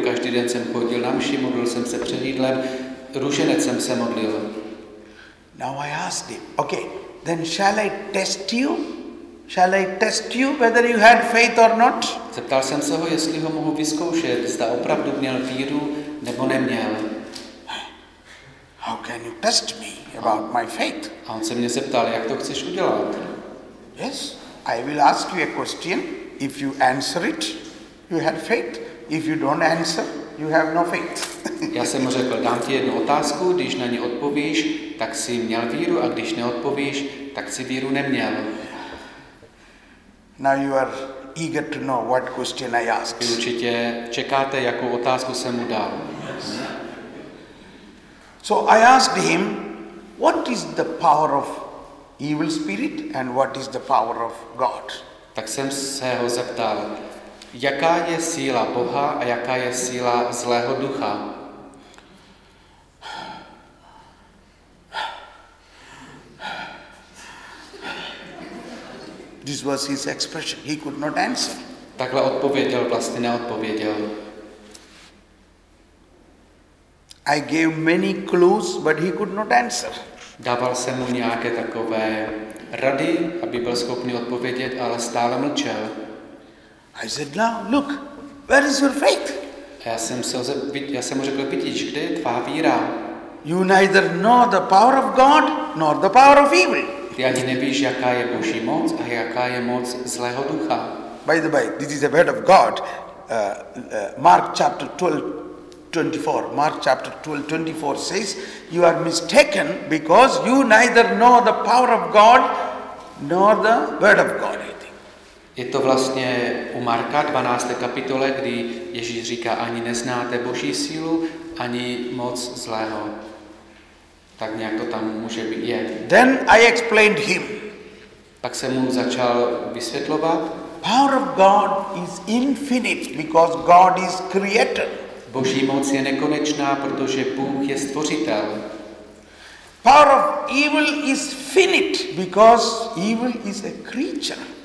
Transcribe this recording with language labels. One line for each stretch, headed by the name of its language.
Czech: Každý den jsem chodil na mši, modlil jsem se před jídlem. Růženec jsem se modlil.
English: Now I asked him, okay, then shall I test you? Shall I test you whether you had faith or not?
Czech: Zeptal jsem se ho, jestli ho mohu vyzkoušet, zda opravdu měl víru nebo neměl.
English: How can you test me about my faith?
Czech: A on se mě zeptal, jak to chceš udělat?
English: Yes, I will ask you a question. If you answer it, you have faith. If you don't answer, you have no faith.
Czech: Já jsem mu řekl, dám ti jednu otázku, když na ni odpovíš, tak jsi měl víru, a když neodpovíš, tak jsi víru neměl.
English: Now you are eager to know what question I asked.
Czech: Vy určitě čekáte, jakou otázku jsem mu dal.
English: So I asked him, what is the power of evil spirit and what is the power of God?
Czech: Tak jsem se ho zeptal, jaká je síla Boha a jaká je síla zlého ducha?
English: This was his expression. He could not answer.
Czech: Takhle odpověděl, vlastně neodpověděl.
English: I gave many clues, but he could not answer.
Czech: Dával jsem mu nějaké takové rady, aby byl schopný odpovědět, ale stále mlčel.
English: I said, now look, where is your faith?
Czech: Já jsem mu řekl, vidíš, kde je tvá víra?
English: You neither know the power of God nor the power of evil.
Czech: Ty ani nevíš, jaká je Boží moc a jaká je moc zlého ducha.
English: By the way, this is the word of God. Mark chapter 12:24. Mark chapter 12:24 says, you are mistaken because you neither know the power of God nor the word of God, I think.
Czech: Je to vlastně u Marka 12. kapitole, kdy Ježíš říká, ani neznáte Boží sílu, ani moc zlého. Tak nějak to tam může být. Je.
English: Then I explained him.
Czech: Pak jsem mu začal vysvětlovat.
English: Power of God is infinite because God is creator.
Czech: Boží moc je nekonečná, protože Bůh je stvořitel.
English: Power of evil is finite because evil is a creature.